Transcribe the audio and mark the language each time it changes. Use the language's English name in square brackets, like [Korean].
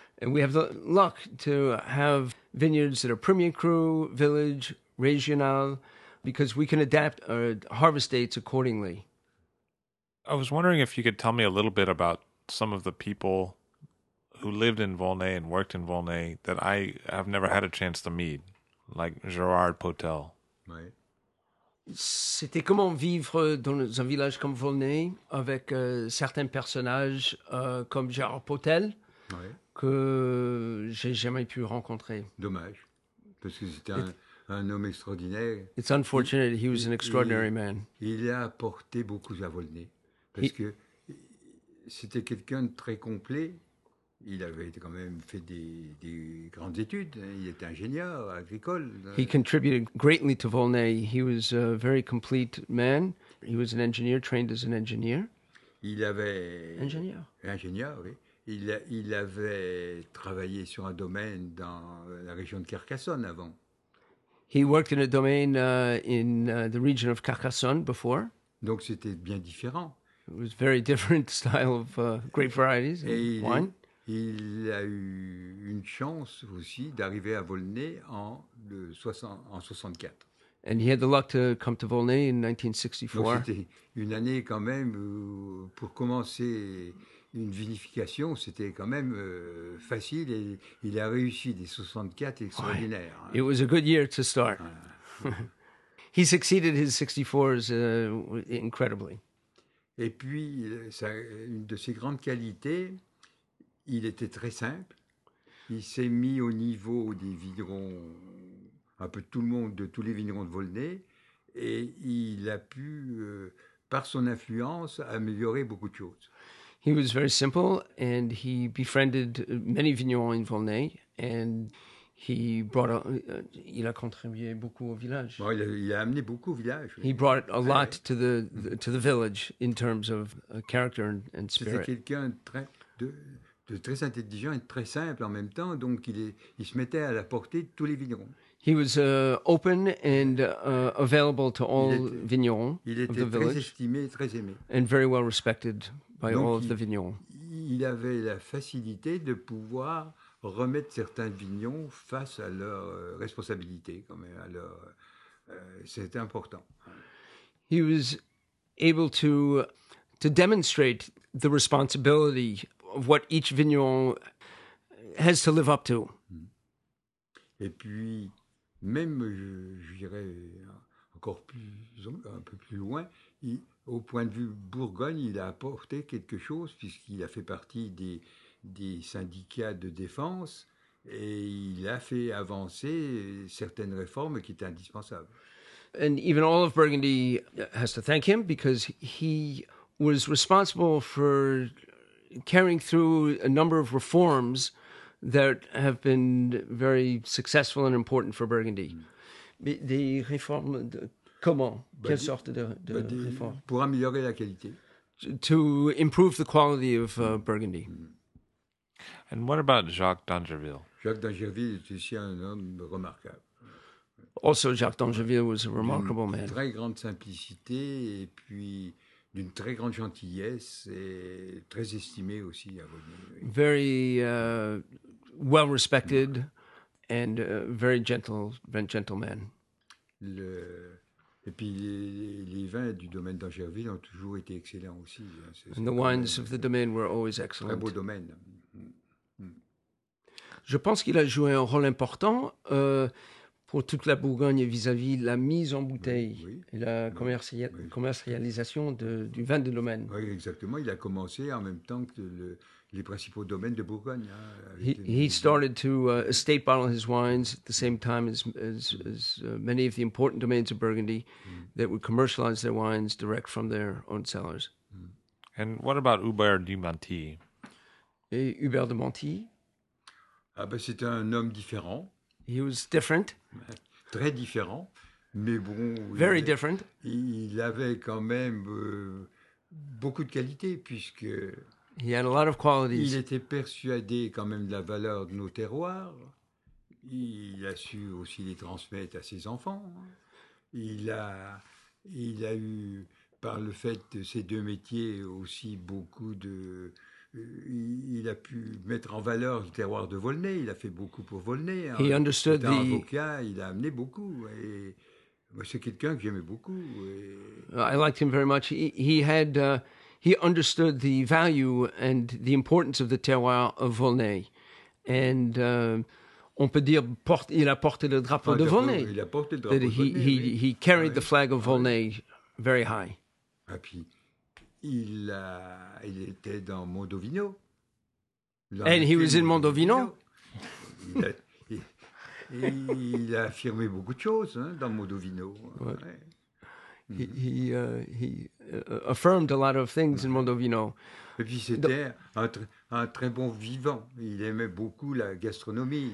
[English] And we have the luck to have vineyards that are premier cru, village, régional, because we can adapt our harvest dates accordingly. I was wondering if you could tell me a little bit about some of the people who lived in Volnay and worked in Volnay that I have never had a chance to meet. Like Gérard Potel. [French] Oui. C'était comment vivre dans un village comme Volnay avec certains personnages comme Gérard Potel, oui, que j'ai jamais pu rencontrer. Dommage, parce que c'était un homme extraordinaire. [English] It's unfortunate, he was an extraordinary man. [French] Il a apporté beaucoup à Volnay, parce que c'était quelqu'un de très complet. Il avait quand même fait des grandes études. Il était ingénieur agricole. [English] He contributed greatly to Volnay. He was a very complete man. He was an engineer, trained as an engineer. [French] Il avait... Ingénieur, oui. Il avait travaillé sur un domaine dans la région de Carcassonne avant. [English] He worked in a domain in the region of Carcassonne before. [French] Donc c'était bien différent. [English] It was very different style of grape varieties and wine. [French] Il a eu une chance aussi d'arriver à Volney en 64. [English] And he had the luck to come to Volney in 1964. [French] Donc, c'était une année quand même pour commencer une vinification, c'était quand même facile et il a réussi des 64 extraordinaires. Oui. [English] It was a good year to start. He succeeded his 64s incredibly. [French] Et puis, ça, une de ses grandes qualités, il était très simple. Il s'est mis au niveau des vignerons, un peu de tout le monde, de tous les vignerons de Volney, et il a pu, par son influence, améliorer beaucoup de choses. [English] He was very simple, and he befriended many vignerons in Volney, and he brought a, [French] il a contribué beaucoup au village. Bon, il a amené beaucoup au village. [English] He brought a lot to the village in terms of character and spirit. [French] C'était quelqu'un de très intelligent et de très simple en même temps, donc il se mettait à la portée de tous les vignerons. [English] He was open and available to all vignerons of the village. [French] Il était très estimé et très aimé. [English] And very well respected by [French] donc, [English] all of the vignerons. [French] Il avait la facilité de pouvoir remettre certains vignons face à leurs responsabilités, quand même. Alors, c'était important. [English] He was able to demonstrate the responsibility of what each vigneron has to live up to. [French] Et puis, même, je dirais, encore plus, un peu plus loin, au point de vue Bourgogne, il a apporté quelque chose, puisqu'il a fait partie des syndicats de défense et il a fait avancer certaines réformes qui étaient indispensables. [English] And even all of Burgundy has to thank him because he was responsible for carrying through a number of reforms that have been very successful and important for Burgundy. [French] Mais des réformes de comment? Quelle sorte de réformes? Pour améliorer la qualité. [English] To improve the quality of Burgundy. And what about Jacques d'Angerville? [French] Jacques d'Angerville est aussi un homme remarquable. [English] Also, Jacques d'Angerville was a remarkable man. [French] D'une très grande simplicité et puis d'une très grande gentillesse et très estimé aussi à Volney. [English] Very well respected and very gentle man. [French] Et puis les vins du domaine d'Angerville ont toujours été excellents aussi. [English] And the wines of the domain were always excellent. [French] Très beau domaine. Je pense qu'il a joué un rôle important pour toute la Bourgogne vis-à-vis de la mise en bouteille, oui, la commercialisation du vin de domaine. Oui, exactement. Il a commencé en même temps que les principaux domaines de Bourgogne. [English] He started to estate bottle his wines at the same time as many of the important domains of Burgundy that would commercialize their wines direct from their own cellars. And what about Hubert de Menty? [French] Et Hubert de Menty? Ah ben c'était un homme différent. [English] He was different. [French] Très différent, mais bon. [English] Very different. [French] Il avait quand même beaucoup de qualités puisque. [English] He had a lot of qualities. [French] Il était persuadé quand même de la valeur de nos terroirs. Il a su aussi les transmettre à ses enfants. Il a eu par le fait de ses deux métiers aussi beaucoup de. Il a pu mettre en valeur le terroir de Volney. Il a fait beaucoup pour Volney. [English] He understood the. [French] Il était avocat. Il a amené beaucoup. Et moi, c'est quelqu'un que j'aimais beaucoup. Et [English] I liked him very much. He understood the value and the importance of the terroir of Volney. [French] And on peut dire il a porté le drapeau de Volney. Il a porté le drapeau de Volney. [English] He carried the flag of Volney very high. [French] Et puis, il était dans Mondovino. [English] And he was in Mondovino. [French] il a affirmé beaucoup de choses hein, dans Mondovino. Ouais. [English] He affirmed a lot of things in Mondovino. [French] Et puis c'était un très bon vivant. Il aimait beaucoup la gastronomie.